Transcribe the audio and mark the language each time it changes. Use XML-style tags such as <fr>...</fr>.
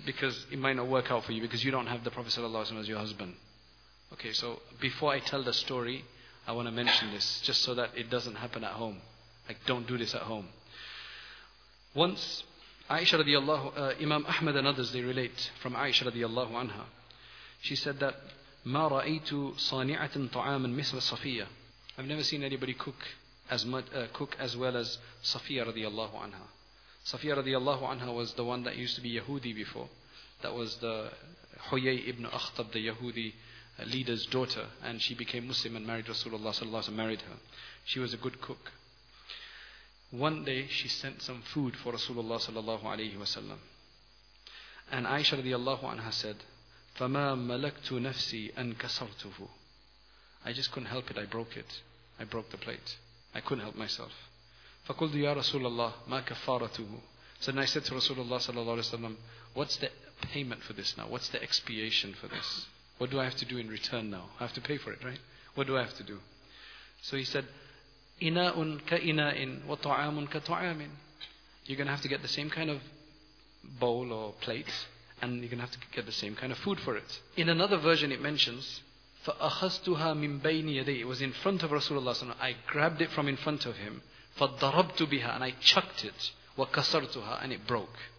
<en>Because it might not work out for you, because you don't have the Prophet sallallahu alaihi wasallam as your husband. Okay, so before I tell the story, I want to mention this, just so that it doesn't happen at home. Like, don't do this at home. Once, Aisha radiallahu, Imam Ahmad and others, they relate from Aisha radiallahu anha.</en> <ar>She said that, مَا رَأَيْتُ صَانِعَةً طَعَامًا مِثْلَ صَفِيَّةً.</ar> <en>I've never seen anybody cook as well as Safiya radiallahu anha. Safiya radiallahu anha was the one that used to be Yahudi before. That was the Huyay ibn Akhtab, the Yahudi leader's daughter. And she became Muslim and married Rasulullah sallallahu alaihi wasallam, married her. She was a good cook. One day she sent some food for Rasulullah sallallahu alaihi wasallam, and Aisha radiallahu anha said,</en> <ar>فَمَا مَلَكْتُ نَفْسِي أَنْ كَسَرْتُهُ.</ar> <en>I just couldn't help it, I broke it. I broke the plate. I couldn't help myself.</en> <ar>فَقُلْتُ يَا رَسُولَ اللَّهِ مَا كَفَّارَتُهُ.</ar> <en>So then I said to Rasulullah sallallahu alaihi wasallam, what's the payment for this now? What's the expiation for this? What do I have to do in return now? I have to pay for it, right? What do I have to do?</en> <ar>So he said, إِنَاءٌ كَإِنَاءٍ وَطَعَامٌ كَطَعَامٍ.</ar> <en>You're going to have to get the same kind of bowl or plate, and you're going to have to get the same kind of food for it. In another version it mentions,</en> <ar>فَأَخَذْتُهَا مِنْ بَيْنِ يَدَيْهِ.</ar> <en>It was in front of Rasulullah sallallahu alaihi wasallam. I grabbed it from in front of him.</en> <ar>فَضَرَبْتُ بِهَا.</ar> <en>And I chucked it.</en> <ar>وَكَسَرْتُهَا.</ar> <en>And it broke.</en>